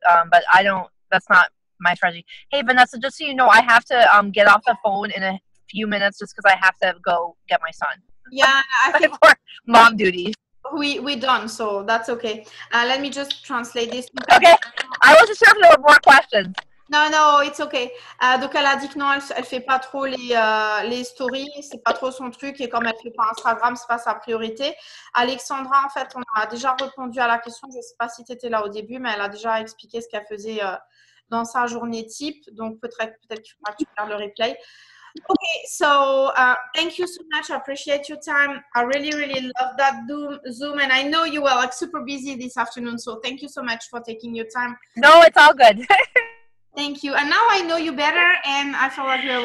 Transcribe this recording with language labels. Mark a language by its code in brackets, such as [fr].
[en] But I don't, that's not my strategy. Hey, Vanessa, just so you know, I have to get off the phone in a few minutes just because I have to go get my son. Yeah. Before mom duties. We done, so that's okay. Let me just translate this. Okay. I wasn't sure if there were more questions. No, it's okay. [fr] Donc, elle a dit que non, elle fait pas trop les stories, c'est pas trop son truc, et comme elle fait pas Instagram, c'est pas sa priorité. Alexandra, en fait, on a déjà répondu à la question, je sais pas si tu étais là au début, mais elle a déjà expliqué ce qu'elle faisait dans sa journée type, donc peut-être qu'il faudra que tu regardes le replay. [en] Okay, so thank you so much. I appreciate your time. I really, really love that Zoom, and I know you were like super busy this afternoon, so thank you so much for taking your time. No, it's all good. Thank you. And now I know you better, and I feel like you're...